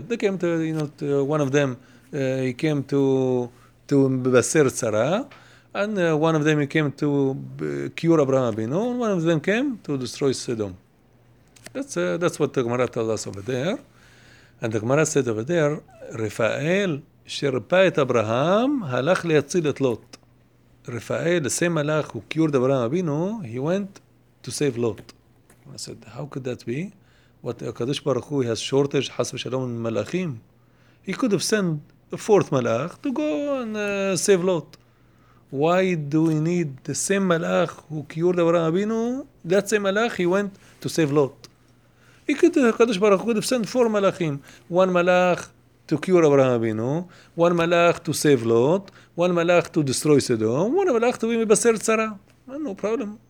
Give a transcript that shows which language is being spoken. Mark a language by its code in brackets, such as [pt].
[en] They came to, you know, to one of them. He came to Basir Tzara, and one of them he came to cure Abraham Abinu, and one of them came to destroy Sodom. That's what the Gemara tells us over there, and the Gemara said over there, Raphael. [he] שרפא את אברהם, הלך להציל את לוט. [en] רפאל, the same מלאך, who cured אברהם אבינו, he went to save לוט. I said, how could that be? What, הקדוש ברוך הוא, he has shortage, חס ושלום, מלאכים. He could have sent a fourth מלאך to go and save לוט. why do we need the same Malach who cured Avraham Avinu? That same Malach, he went to save Lot. He could, HaKadosh Baruch Hu could have sent four Malachim. One Malach to cure Avraham Avinu, one Malach to save Lot, one Malach to destroy Sodom, one Malach to be Mebaser Tzara. No problem.